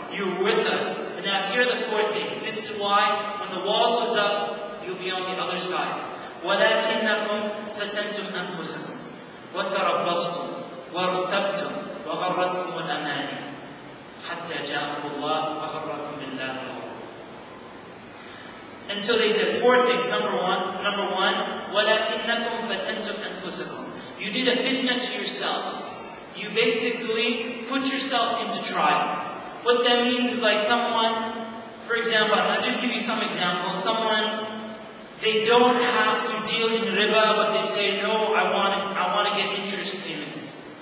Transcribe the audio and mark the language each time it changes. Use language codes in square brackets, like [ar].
[en] You're with us. But now here are the four things. This is why when the wall goes up, you'll be on the other side. [ar] وَلَكِنَّكُمْ فَتَنْتُمْ أَنفُسَكُمْ وَتَرَبَّصْتُمْ وَارْتَبْتُمْ وَغَرَّتْكُمُ الْأَمَانِي حَتَّى جَاءَ اللَّهُ وَغَرَّكُمْ بِاللَّهِ الْغُرُورُ. [en] And so they said four things. Number one, [ar] وَلَكِنَّكُمْ فَتَنْتُمْ أَنفُسَكُمْ. [en] You did a fitna to yourselves. You basically put yourself into trial. What that means is like someone, for example, I'll just give you some examples. Someone, they don't have to deal in riba, but they say, no, I want to get interest payments.